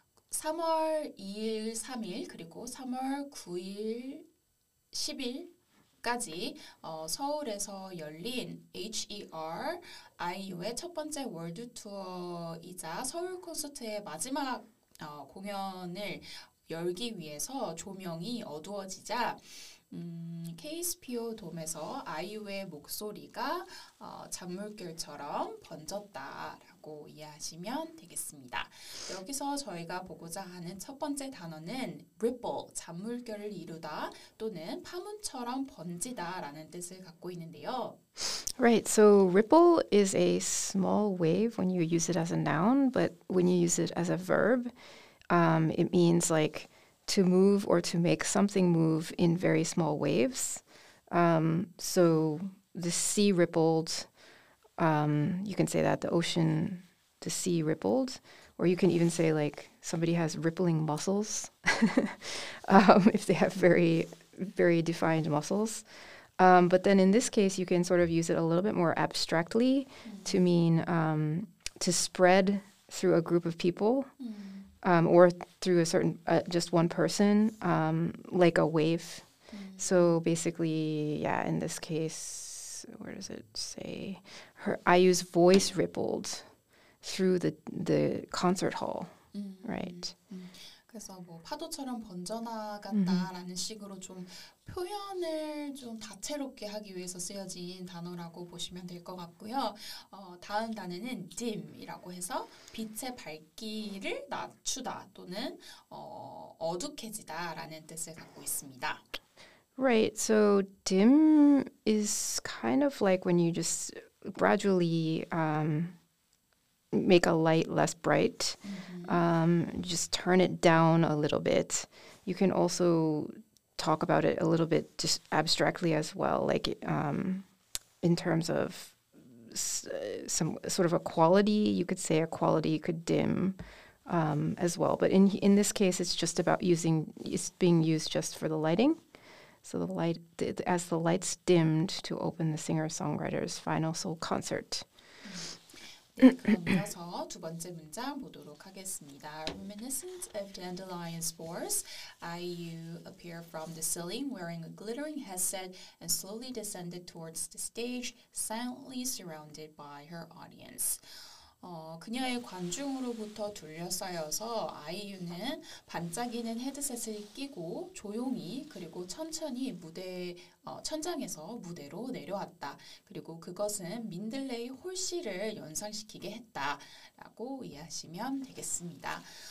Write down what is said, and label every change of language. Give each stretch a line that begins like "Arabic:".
Korean: 3월 2일, 3일, 그리고 3월 9일, 10일, 까지 서울에서 열린 HER IU의 첫 번째 월드 투어이자 서울 콘서트의 마지막 공연을 열기 위해서 조명이 어두워지자 KSPO 돔에서 IU의 목소리가 잔물결처럼 번졌다라고 이해하시면 되겠습니다. 여기서 저희가 보고자 하는 첫 번째 단어는 ripple, 잔물결을 이루다 또는 파문처럼 번지다 라는 뜻을 갖고 있는데요.
English: Right, so ripple is a small wave when you use it as a noun, but when you use it as a verb, it means like to move or to make something move in very small waves. So the sea rippled, you can say that the ocean, the sea rippled, or you can even say like somebody has rippling muscles if they have very, very defined muscles. But then in this case, you can sort of use it a little bit more abstractly to mean to spread through a group of people. Or through a certain, just one person, like a wave. So basically, yeah, in this case, where does it say? Her Ayu's voice rippled through the concert hall, right?
Korean: 그래서 뭐 파도처럼 번져나간다라는 식으로 좀 표현을 좀 다채롭게 하기 위해서 쓰여진 단어라고 보시면 될 것 같고요. 다음 단어는 dim이라고 해서 빛의 밝기를 낮추다 또는 어둑해지다라는 뜻을 갖고 있습니다.
English: Right, so dim is kind of like when you just gradually make a light less bright. Just turn it down a little bit. You can also talk about it a little bit just abstractly as well, like in terms of some sort of a quality. You could say a quality could dim as well. But in this case, it's just about using, it's being used just for the lighting. So the light, as the lights dimmed to open the singer-songwriter's final soul concert.
Korean: 네, 그럼 이어서 두 번째 문장 보도록 하겠습니다.
English: Reminiscent of dandelion spores, IU appeared from the ceiling wearing a glittering headset and slowly descended towards the stage, silently surrounded by her audience.
Korean: 그녀의 관중으로부터 둘러싸여서 IU는 반짝이는 헤드셋을 끼고 조용히 그리고 천천히 무대 천장에서 무대로 내려왔다. 그리고 그것은 민들레이 홀씨를 연상시키게 했다라고 이해하시면 되겠습니다.